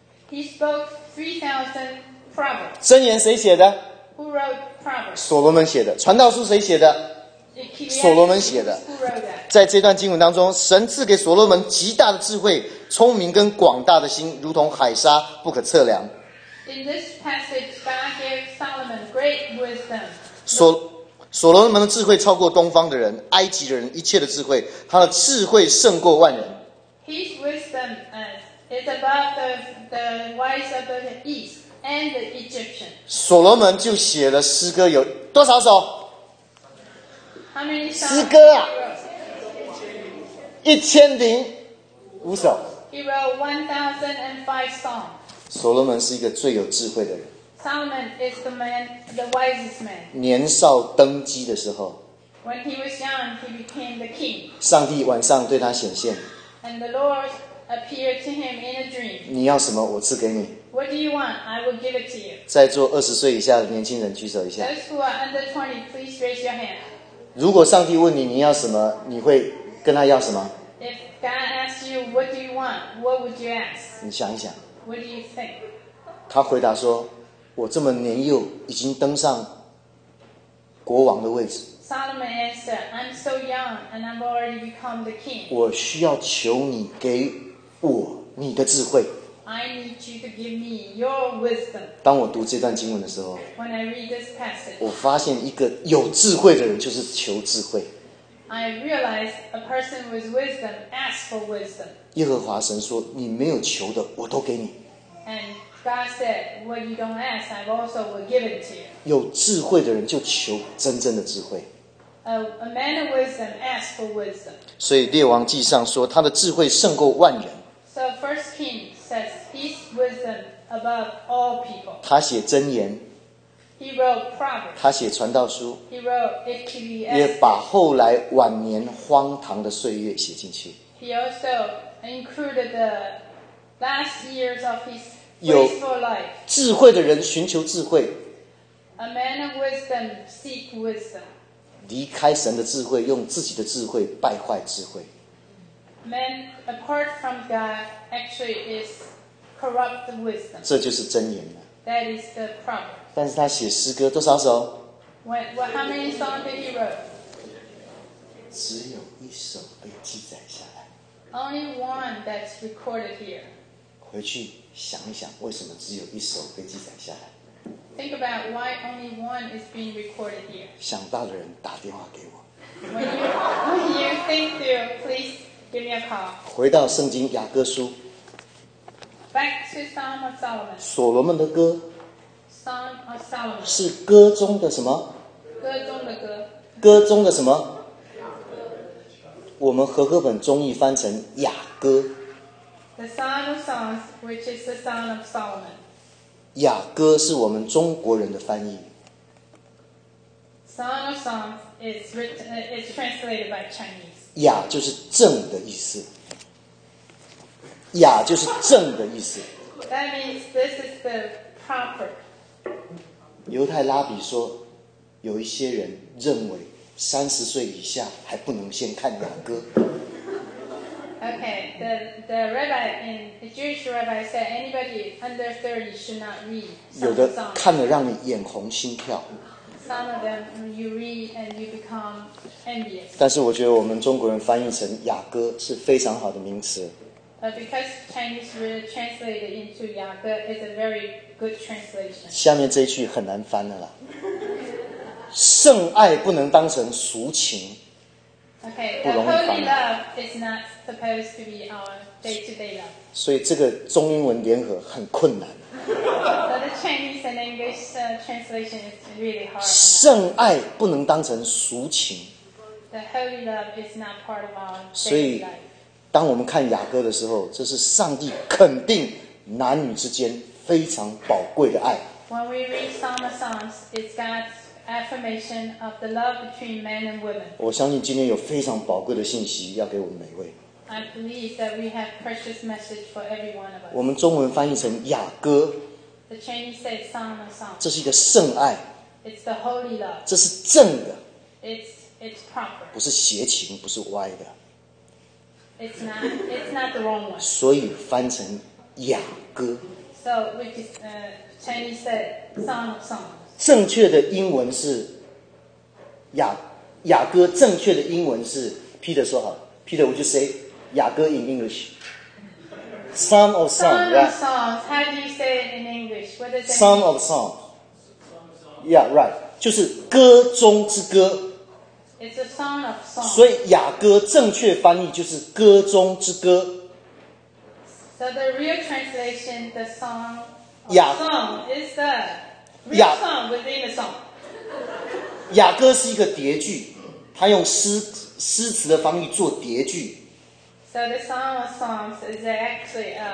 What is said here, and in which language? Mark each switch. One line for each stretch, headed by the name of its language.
English: He spoke 3,000 proverbs.
Chinese: 箴言谁写的
English: ？Who wrote proverbs?
Chinese: 所罗门写的。传道书谁写的？所罗门写的。在这段经文当中，神赐给所罗门极大的智慧、聪明跟广大的心，如同海沙，不可测量。
English: In this passage, God gave Solomon great wisdom.
Chinese: 所罗门的智慧超过东方的人、埃及的人一切的智慧，他的智慧胜过万人。
English: His wisdom is above the wise of the East and the Egyptian.
Chinese: 所罗门就写了诗歌有多少首？诗歌啊，1,005首。
English: He wrote 1,005 songs.
Chinese: 所罗门是一个最有智慧的人。
English: Solomon is the wisest man.
Chinese: 年少登基的时候。
English: When he was young, he became the king.
Chinese: 上帝晚上对他显现。
English: And the Lord appeared to him in a dream.
Chinese: 你要什么，我赐给你。
English: What do you want? I will give it to you.
Chinese: 在座20岁以下的年轻人举手一下。
English: Those who are under 20, please raise your hand.
Chinese: 如果上帝问你你要什么，你会跟他要什么
English: ？If God asks you what do you want, what would you ask?
Chinese: 你想一想。
English: What do you think?
Chinese: 他回答说：“我这么年幼，已经登上国王的位置。
English: ”Solomon answered, "I'm so young and I've already become the king."
Chinese: 我需要求你给我你的智慧。
English: I need you to give me your wisdom.
Chinese: 当我读这段经文的时候
English: When I read this passage,
Chinese: 我发现一个有智慧的人就是求智慧
English: I realize a person with wisdom asks for wisdom.
Chinese: 耶和华神说你没有求的我都给你
English: And God said, "What you don't ask, I also will give it to you."
Chinese: 有智慧的人就求真正的智慧。
English: A man of wisdom asks for wisdom.
Chinese: 所以列王记上说，他的智慧胜过万人。
English: So First Kings says his wisdom above all people.
Chinese: 他写箴言。
English: He wrote Proverbs.
Chinese: 他写传道书。
English: He wrote Ecclesiastes.
Chinese: 也把后来晚年荒唐的岁月写进去。
English: He also included the last years of his wasteful life.
Chinese: 有智慧的人寻求智慧。
English: A man of wisdom seek wisdom.
Chinese: 离开神的智慧，用自己的智慧败坏智慧。
English: Man apart from God actually is corrupt the wisdom.
Chinese: 这就是箴言了。
English: That is the problem.
Chinese: 但是他写诗歌多少首？
English: How many songs did he write?
Chinese: 只有一首被记载下来。
English: Only one that's recorded here.
Chinese: 回去想一想，为什么只有一首被记载下来？
English: Think about why only one is being recorded here.
Chinese: 想到的人打电话给我。
English: When you think through, please give me a call.
Chinese: 回到圣经雅歌书。
English: Back to Song of Solomon.
Chinese: 所罗门的歌。
English: Song of Solomon.
Chinese: 是歌中的什么？歌中的歌。歌中的什么？我们和合本中译翻成雅歌。
English: The Song of Songs, which is the Song of Solomon.
Chinese: 雅歌是我们中国人的翻译。
English: Song of Songs is translated by Chinese.
Chinese: 雅就是正的意思。雅就是正的意思。
English: That means this is the proper.
Chinese: 犹太拉比说，有一些人认为30岁以下还不能先看雅歌。
English: Okay, the rabbi in the Jewish rabbi said anybody under 30 should not read some songs.
Chinese: 有的看了让你眼红心跳。
English: Some of them you read and you become envious.
Chinese: 但是我觉得我们中国人翻译成雅歌是非常好的名词。
English: But because Chinese really translated into 雅歌 is a very good translation.
Chinese: 下面这一句很难翻了啦。圣爱不能当成俗情。
English: Okay, holy love is not supposed to be our day-to-day love.
Chinese: 所以这个中英文联合很困难。
English: So the Chinese and English translation is really hard.
Chinese: 圣爱不能当成俗情。
English: The holy love is not part of our day-to-day life.
Chinese: 所以当我们看雅歌的时候，这是上帝肯定男女之间非常宝贵的爱。
English: When we read Song of Songs, it's God's. Affirmation of the love between men and women.
Chinese: 我相信今天有非常宝贵的信息要给我们每一位。
English: I believe that we have precious message for every one of us.
Chinese: 我们中文翻译成雅歌。
English: The Chinese say song of song.
Chinese: 这是一个圣爱。
English: It's the holy love.
Chinese: 这是正的。
English: It's proper.
Chinese: 不是邪情，不是歪的。
English: It's not the wrong one.
Chinese: 所以翻成雅歌。
English: So which is Chinese say song of song.
Chinese: 正确的英文是雅歌，正确的英文是 Peter 说好 ，
English: Peter would you say 雅歌 in English? Psalm of song, Psalm right? Of songs, how do you say it in English? What does Psalm of song? Yeah, right.
Chinese: 就是歌中之歌。
English: It's a song of song.
Chinese: 所以雅歌正确翻译就是歌中之歌。
English: So the real translation, the song of song is the.
Chinese: 雅
English: 歌 within a song.
Chinese: 雅歌是一个叠句，它用诗词的方式做叠句。
English: So the song of songs is actually a